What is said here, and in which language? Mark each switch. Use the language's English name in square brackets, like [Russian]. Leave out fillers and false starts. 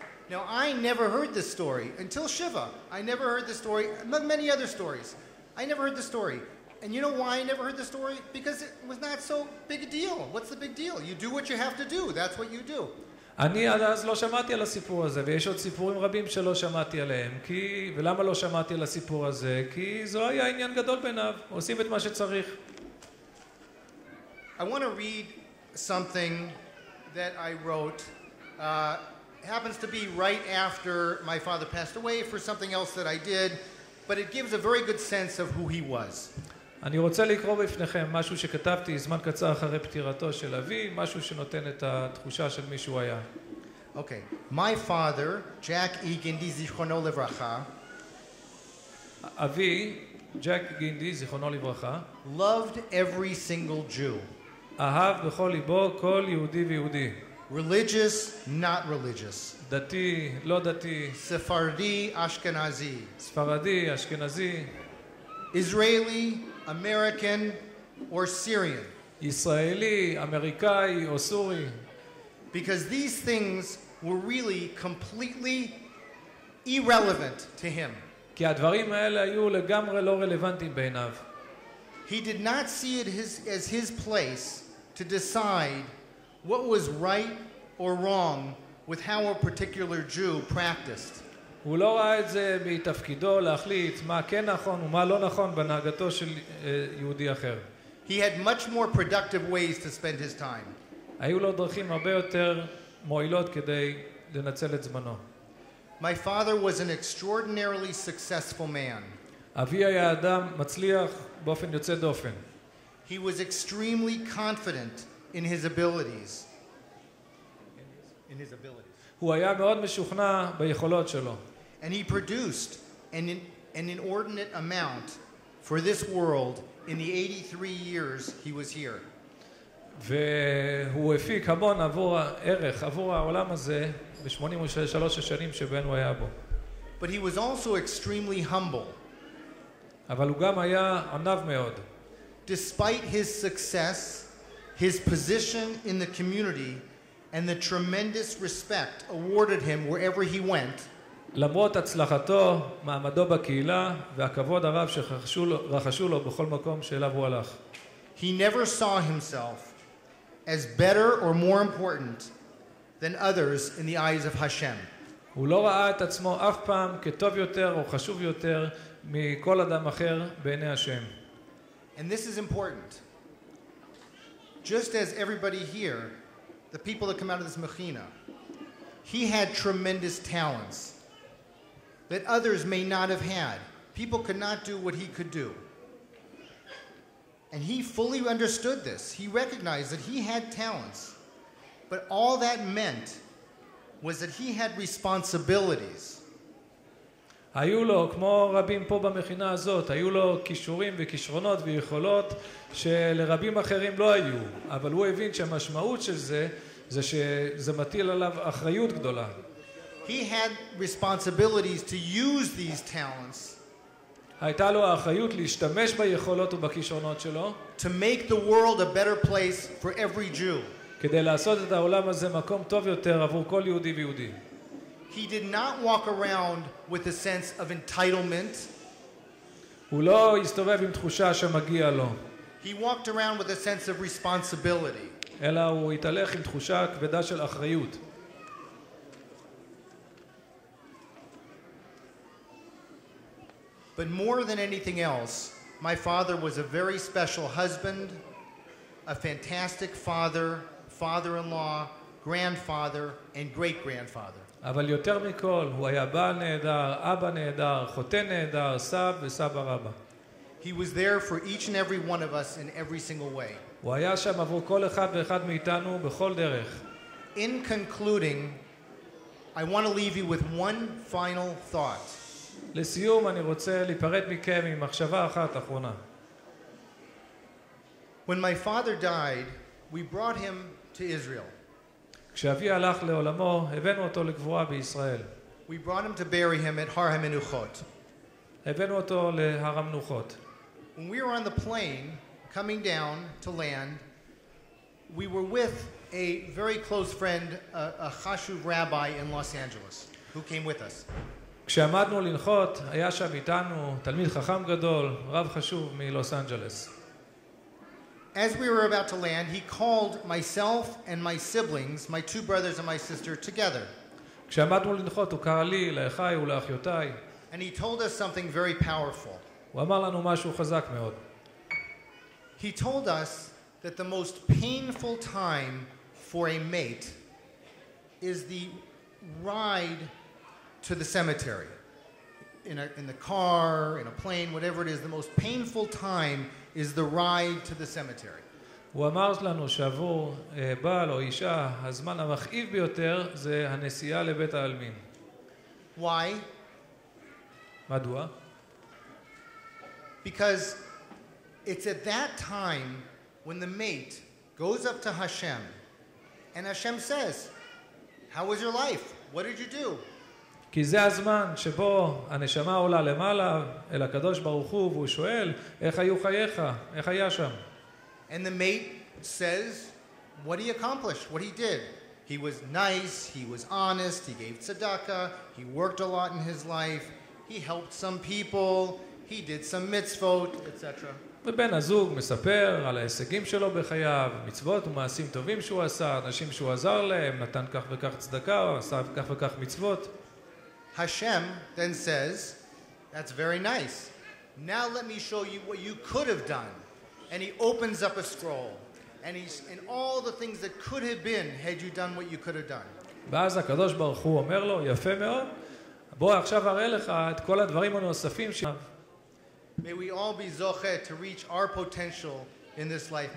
[English] Now I never heard this story until Shiva. I never heard this story, not many other stories. I never heard the story. And you know why I never heard the story? Because it was not so big a deal. What's the big deal? You do what you have to do. That's what you do. [Hebrew] אני אז לא שמעתי על הסיפור הזה, ויש עוד סיפורים רבים שלא שמעתי עליהם. כי, ולמה לא שמעתי על הסיפור הזה? כי זה היה עניין גדול בעיניו. עושים את מה שצריך. [English] I want to read something that I wrote. Happens to be right after my father passed away for something else that I did, but it gives a very good sense of who he was. [Hebrew] אני רוצה לקרוא בפניכם משהו שכתבתי זמן קצר אחרי פטירתו של אבי, משהו שנותן את התחושה של מי שהוא היה. [English] Okay. My father, Jack E. Gindy, [Hebrew] זיכרונו לברכה, אבי, ג'ק גינדי, זיכרונו לברכה, [English] loved every single Jew. [Hebrew] אהב בכל ליבו כל יהודי ויהודי. [English] Religious, not religious. [Hebrew] דתי, לא דתי. ספרדי, אשכנזי. ספרדי, אשכנזי. [English] Israeli, American, or Syrian. [Hebrew] ישראלי, אמריקאי, או סורי. [English] Because these things were really completely irrelevant to him. [Hebrew] כי הדברים האלה היו לגמרי לא רלוונטיים בעיניו. [English] He did not see it as his place to decide what was right or wrong with how a particular Jew practiced. [Hebrew] הוא לא ראה את זה בתפקידו להחליט מה כן נכון ומה לא נכון בנהגתו של יהודי אחר. [English] He had much more productive ways to spend his time. [Hebrew] היו לו דרכים הרבה יותר מועילות כדי לנצל את זמנו. [English] My father was an extraordinarily successful man. [Hebrew] אבי היה אדם מצליח באופן יוצא דופן. [English] He was extremely confident in his abilities. [Hebrew] הוא היה מאוד משוכנע ביכולות שלו. [English] And he produced an inordinate amount for this world in the 83 years he was here. [Hebrew] והוא הפיק המון עבור הערך, עבור העולם הזה, ב-83 השנים שבהן הוא היה בו. [English] But he was also extremely humble. [Hebrew] אבל הוא גם היה ענב מאוד. [English] Despite his success, his position in the community and the tremendous respect awarded him wherever he went. [Hebrew] למרות הצלחתו, מעמדו בקהילה והכבוד הרב שרחשו לו בכל מקום שאליו הוא הלך. [English] He never saw himself as better or more important than others in the eyes of Hashem. [Hebrew] הוא לא ראה את עצמו אף פעם כטוב יותר או חשוב יותר מכל אדם אחר בעיני השם. [English] And this is important. Just as everybody here, the people that come out of this mechina, he had tremendous talents that others may not have had. People could not do what he could do. And he fully understood this. He recognized that he had talents, but all that meant was that he had responsibilities. [Hebrew] היו לו, כמו רבים פה במכינה הזאת, היו לו כישורים וכישרונות ויכולות שלרבים אחרים לא היו, אבל הוא הבין שהמשמעות של זה, זה שזה מטיל עליו אחריות גדולה. [English] He had responsibilities to use these talents. [Hebrew] הייתה לו האחריות להשתמש ביכולות ובכישרונות שלו. [English] To make the world a better place for every Jew. [Hebrew] כדי לעשות את העולם הזה מקום טוב יותר עבור כל יהודי ויהודי. [English] He did not walk around with a sense of entitlement. [Hebrew] הוא לא הסתובב עם תחושה שמגיע לו. [English] He walked around with a sense of responsibility. [Hebrew] אלא הוא התהלך עם תחושה כבדה של אחריות. [English] But more than anything else, my father was a very special husband, a fantastic father, father-in-law, grandfather, and great-grandfather. [Hebrew] אבל יותר מכל, הוא היה בעל נהדר, אבא נהדר, חותן נהדר, סב וסבא רבא. [English] He was there for each and every one of us in every single way. [Hebrew] הוא היה שם עבור כל אחד ואחד מאיתנו בכל דרך. [English] In concluding, I want to leave you with one final thought. [Hebrew] לסיום, אני רוצה להיפרד מכם עם מחשבה אחת אחרונה. [English] When my father died, we brought him to Israel. [Hebrew] כשאבי הלך לעולמו, הבאנו אותו לקבורה בישראל. [English] We brought him to bury him at Har HaMenuchot. [Hebrew] הבאנו אותו להר המנוחות. [English] When we were on the plane coming down to land, we were with a very close friend, a Chashuv rabbi in Los Angeles, who came with us. [Hebrew] כשעמדנו לנחות, היה שם איתנו תלמיד חכם גדול, רב חשוב מלוס אנג'לס. [English] As we were about to land, he called myself and my siblings, my two brothers and my sister, together. [Hebrew] כשעמדנו לנחות, הוא קרא לי, לאחיי ולאחיותיי. [English] And he told us something very powerful. [Hebrew] הוא אמר לנו משהו חזק מאוד. [English] He told us that the most painful time for a mate is the ride to the cemetery. In the car, in a plane, whatever it is, the most painful time is the ride to the cemetery. [Hebrew] הוא אמר לנו שעבור בעל או אישה, הזמן המכאיב ביותר זה הנסיעה לבית העלמין. [English] Why? [Hebrew] מדוע? [English] Because it's at that time when the mate goes up to Hashem and Hashem says, how was your life? What did you do? [Hebrew] כי זה הזמן שבו הנשמה עולה למעלה אל הקדוש ברוך הוא והוא שואל איך היו חייך, איך היה שם. [English] And the mate says what he accomplished, what he did. He was nice, he was honest, he gave tzedakah, he worked a lot in his life, he helped some people, he did some mitzvot, etc. [Hebrew] ובן הזוג מספר על ההישגים שלו בחייו, מצוות ומעשים טובים שהוא עשה, אנשים שהוא עזר להם, נתן כך וכך צדקה, עשה כך וכך מצוות. [English] Hashem then says, that's very nice. Now let me show you what you could have done. And he opens up a scroll. And he's in all the things that could have been had you done what you could have done. [Hebrew] ואז הקדוש ברוך הוא אומר לו, יפה מאוד, בוא עכשיו אראה לך את כל הדברים הנוספים ש... [English] May we all be zoche to reach our potential in this life.